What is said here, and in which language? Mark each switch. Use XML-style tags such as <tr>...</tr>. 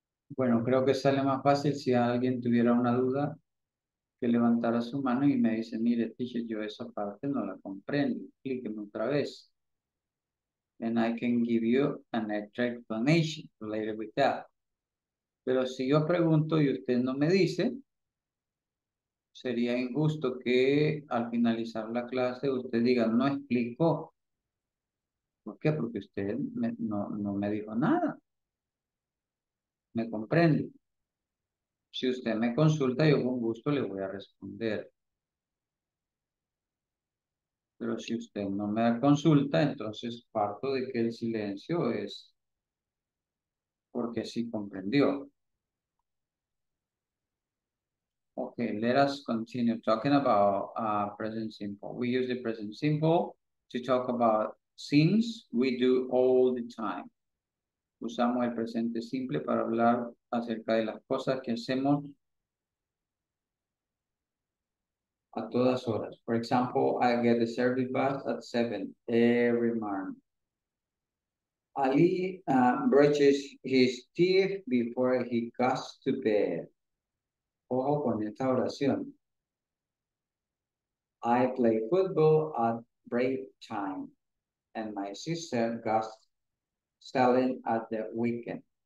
<es>Bueno, creo que sale más fácil si alguien tuviera una duda que levantara su mano y me dice, mire, teacher, yo esa parte no la comprendo. Explíqueme otra vez.</es> <en>And I can give you an extra explanation related with that.</en> <es>Pero si yo pregunto y usted no me dice, sería injusto que al finalizar la clase usted diga, no explicó. ¿Por qué? Porque usted no me dijo nada. ¿Me comprende? Si usted me consulta, yo con gusto le voy a responder. Pero si usted no me da consulta, entonces parto de que el silencio es porque sí comprendió.</es> <en>Ok, let us continue talking about present simple. We use the present simple to talk about things we do all the time.</en> <es>Usamos el presente simple para hablar acerca de las cosas que hacemos a todas horas.</es> <en>For example, I get the service bus at 7 every morning. Ali brushes his teeth before he goes to bed.</en> <es>Ojo con esta oración.</es> <en>I play football at break time and my sister goes selling at the weekend.</en>